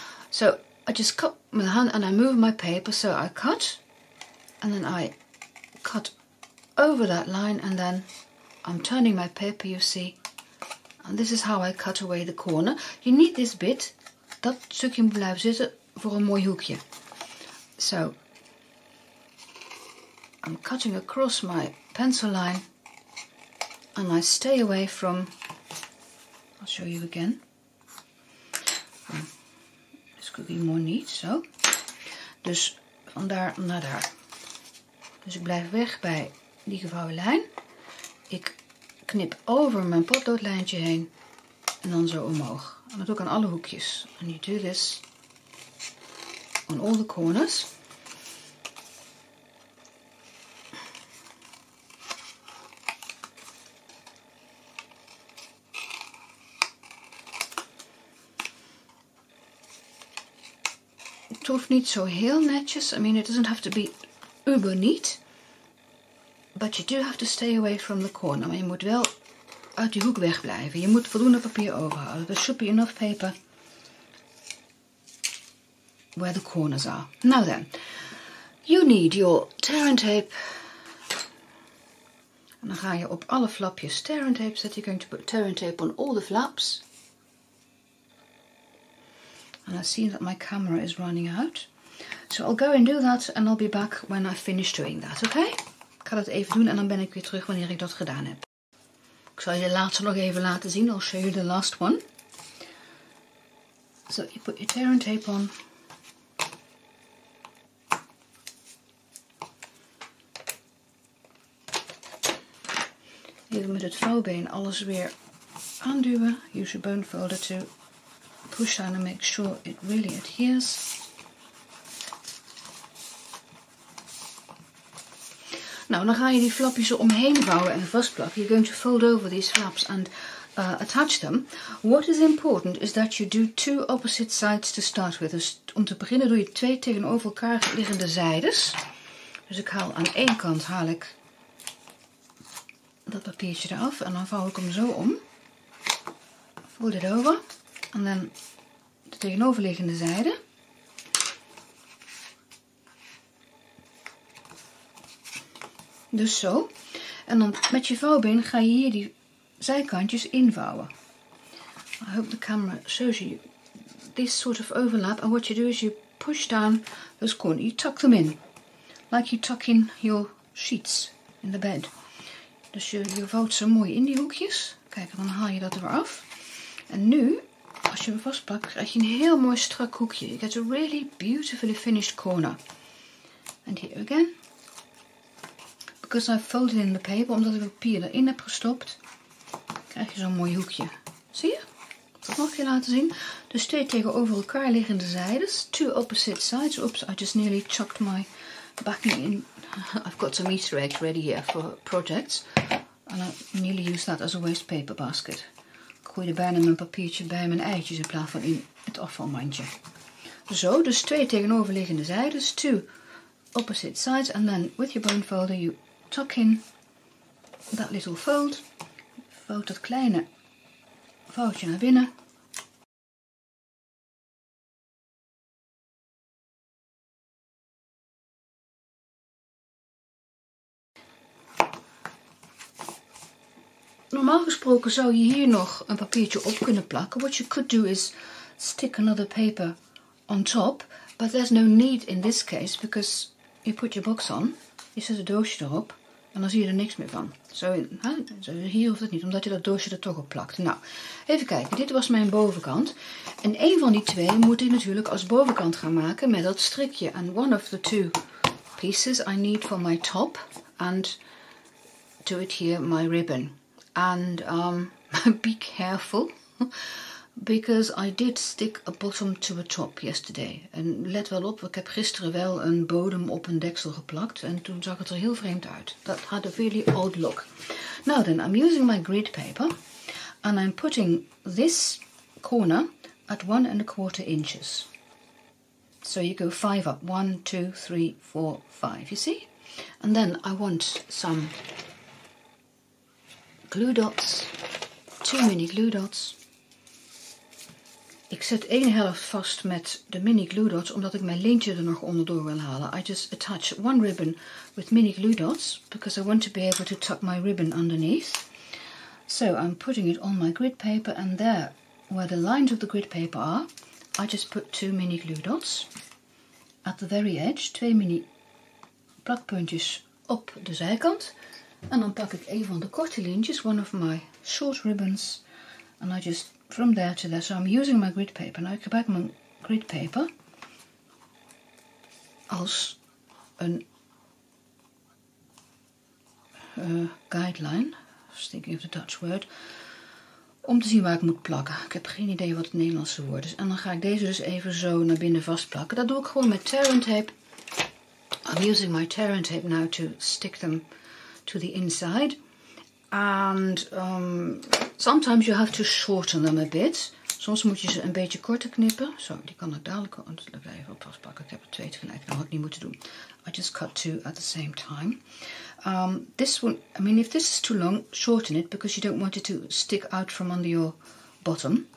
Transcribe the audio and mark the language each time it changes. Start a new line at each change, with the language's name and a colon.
English: So I just cut with the hand and I move my paper. So I cut and then I cut over that line and then I'm turning my paper, you see. And this is how I cut away the corner. You need this bit.
Dutch: Dat stukje moet blijven zitten voor een mooi hoekje.
English: So, I'm cutting across my pencil line. And I stay away from I'll show you again. This could be more neat,
Dutch: zo. Dus van daar naar daar. Dus ik blijf weg bij die gevouwen lijn. Ik knip over mijn potloodlijntje heen. En dan zo omhoog. En dat doe ik aan alle hoekjes.
English: And you do this on all the corners.
Dutch: Het hoeft niet zo heel netjes.
English: I mean, it doesn't have to be uber neat. But you do have to stay away from the corner.
Dutch: Maar je moet wel uit die hoek wegblijven. Je moet voldoende papier overhouden.
English: There should be enough paper where the corners are. Now then, you need your tear and tape.
Dutch: En dan ga je op alle flapjes tear and tape zetten.
English: You're going to put tear and tape on all the flaps. And I see that my camera is running out. So I'll go and do that and I'll be back when I finish doing that, okay?
Dutch: Ik ga dat even doen en dan ben ik weer terug wanneer ik dat gedaan heb. Ik zal je de laatste nog even laten zien.
English: I'll show you the last one. So you put your tear and tape on.
Dutch: Even met het vouwbeen alles weer aanduwen.
English: Use your bone folder to push down and make sure it really adheres.
Dutch: Nou, dan ga je die flapjes omheen vouwen en vastplakken.
English: You're going to fold over these flaps and attach them. What is important is that you do two opposite sides to start with.
Dutch: Dus om te beginnen doe je twee tegenover elkaar liggende zijdes. Dus ik haal aan één kant haal ik dat papiertje eraf en dan vouw ik hem zo om.
English: Fold it over.
Dutch: En dan de tegenoverliggende zijde. Dus zo. En dan met je vouwbeen ga je hier die zijkantjes invouwen.
English: I hope the camera shows you this sort of overlap. And what you do is you push down those corners. You tuck them in. Like you tuck in your sheets in the bed.
Dutch: Dus je vouwt ze mooi in die hoekjes. Kijk, dan haal je dat er weer af. En nu, als je hem vastpakt, krijg je een heel mooi strak hoekje.
English: You get a really beautifully finished corner. And here again. Because I folded in the paper,
Dutch: omdat ik papier erin heb gestopt, krijg je zo'n mooi hoekje. Zie je? Dat mag je laten zien. Dus twee tegenover elkaar liggende zijdes.
English: Two opposite sides. Oops, I just nearly chucked my backing in. I've got some Easter eggs ready here for projects. And I nearly use that as a waste paper basket.
Dutch: Ik gooide bijna mijn papiertje bij mijn eitjes in plaats van in het afvalmandje. Zo, dus twee tegenover liggende zijdes.
English: Two opposite sides. And then with your bone folder you tuck in that little fold.
Dutch: Vouw dat kleine foutje naar binnen. Normaal gesproken zou je hier nog een papiertje op kunnen plakken.
English: What you could do is stick another paper on top. But there's no need in this case because you put your box on.
Dutch: Je zet het doosje erop. En dan zie je er niks meer van. Zo hier hoeft het niet, omdat je dat doosje er toch op plakt. Nou, even kijken. Dit was mijn bovenkant. En één van die twee moet ik natuurlijk als bovenkant gaan maken met dat strikje.
English: And one of the two pieces I need for my top. And to adhere my ribbon. And be careful. Because I did stick a bottom to a top yesterday. En let wel op, ik heb gisteren wel een bodem op een deksel geplakt. En toen zag het er heel vreemd uit. That had a really odd look. Now then, I'm using my grid paper. And I'm putting this corner at 1¼ inches. So you go 5 up. 1, 2, 3, 4, 5. You see? And then I want some glue dots. Two mini glue dots.
Dutch: Ik zet één helft vast met de mini glue dots, omdat ik mijn lintje er nog onderdoor wil halen.
English: I just attach one ribbon with mini glue dots, because I want to be able to tuck my ribbon underneath. So I'm putting it on my grid paper, and there, where the lines of the grid paper are, I just put two mini glue dots at the very edge.
Dutch: Twee mini plakpuntjes op de zijkant. En dan pak ik een van de korte lintjes,
English: one of my short ribbons, and I just from there to there. So I'm using my grid paper. Now I can make my grid paper as an guideline. I was thinking of the Dutch word.
Dutch: Om te zien waar ik moet plakken. Ik heb geen idee wat het Nederlandse woord is. En dan ga ik deze dus even zo naar binnen vastplakken. Dat doe ik gewoon met tearing tape.
English: I'm using my tearing tape now to stick them to the inside. And sometimes you have to shorten them a bit.
Dutch: Soms moet je ze een beetje korter knippen. Zo, die kan ik dadelijk even op vastpakken. Ik heb er twee tegelijk. Dat had ik niet moeten doen.
English: I just cut two at the same time. This one, I mean, if this is too long, shorten it, because you don't want it to stick out from under your bottom.